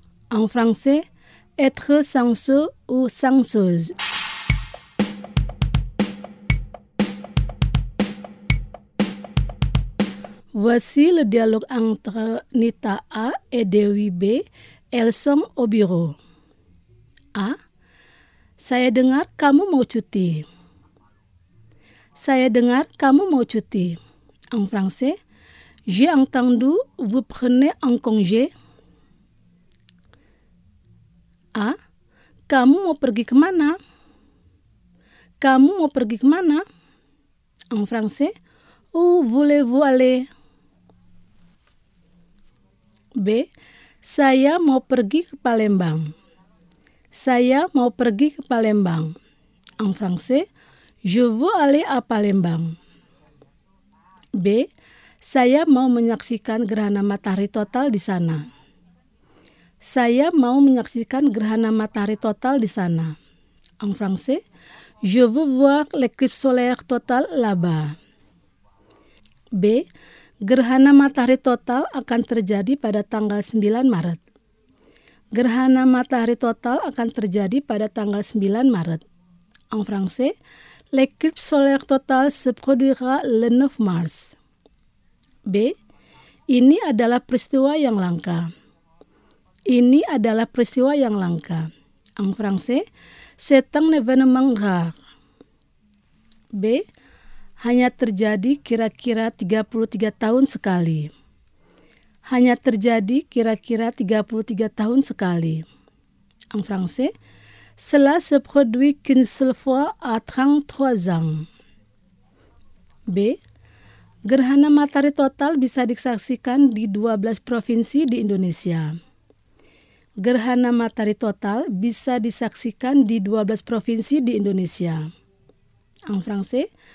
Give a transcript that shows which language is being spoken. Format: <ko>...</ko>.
<fr>En français, être chanceux ou chanceuse. Voici le dialogue entre Nita A et Dewi B. Elles sont au bureau. A.</fr> <id>Saya dengar kamu mau cuti. Saya dengar kamu mau cuti.</id> <fr>En français, j'ai entendu vous prenez un congé.</fr> <id>A. Kamu mau pergi kemana? Kamu mau pergi kemana?</id> <fr>En français, où voulez-vous aller? B.</fr> <id>Saya mau pergi ke Palembang. Saya mau pergi ke Palembang.</id> <fr>En français, je veux aller à Palembang. B.</fr> <id>Saya mau menyaksikan gerhana matahari total di sana. Saya mau menyaksikan gerhana matahari total di sana.</id> <fr>En français, je veux voir l'éclipse solaire total là-bas. B.</fr> <id>Gerhana matahari total akan terjadi pada tanggal 9 Maret. Gerhana matahari total akan terjadi pada tanggal 9 Maret.</id> <fr>En français, l'éclipse solaire total se produira le 9 mars. B.</fr> <id>Ini adalah peristiwa yang langka. Ini adalah peristiwa yang langka.</id> <fr>En français, c'est un événement rare. B.</fr> <id>Hanya terjadi kira-kira 33 tahun sekali. Hanya terjadi kira-kira 33 tahun sekali.</id> <fr>En français, cela se produit qu'une seule fois à 33 ans.</fr> <id>B. Gerhana matahari total bisa disaksikan di 12 provinsi di Indonesia. Gerhana matahari total bisa disaksikan di 12 provinsi di Indonesia.</id> <fr>En français,</fr>